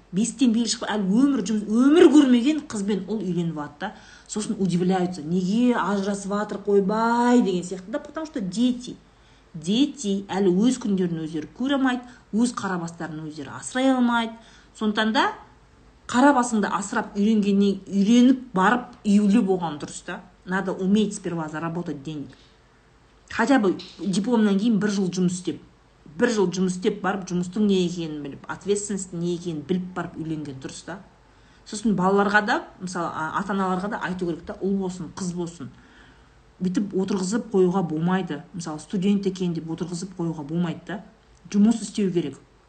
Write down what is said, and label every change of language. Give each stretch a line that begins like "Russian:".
Kazakh: Бестен бел шығып, әлі өмір жұмыс, өмір көрмеген қызбен ұл үйленіп алды да, сосын удивляются, неге ажырасып жатыр, қойбай деген сияқты да,
Russian: потому что дети.
Kazakh: Дети әлі өз күндерін өздері көре алмайды, өз қарабастарын өздері асырай алмайды. Сондықтан да қарабасыңды асырап үйренгенге үйреніп барып үйлі болған дұрыс та.
Russian: Надо уметь сперва заработать денег. Хотя бы
Kazakh: дипломнан кейін бір жыл жұмыс істеп, бір жыл жұмыс істеп барып, жұмыстың не екенін біліп, ответственность не екенін біліп барып үйленген дұрыс та. Сосын балаларға да, мысалы, ата-аналарға да айту керек та, ұл болсын, қыз болсын. Бүтіп отырғызып қоюға болмайды. Мысалы, студент екен деп отырғызып қоюға болмайды та. Жұмыс істеу керек.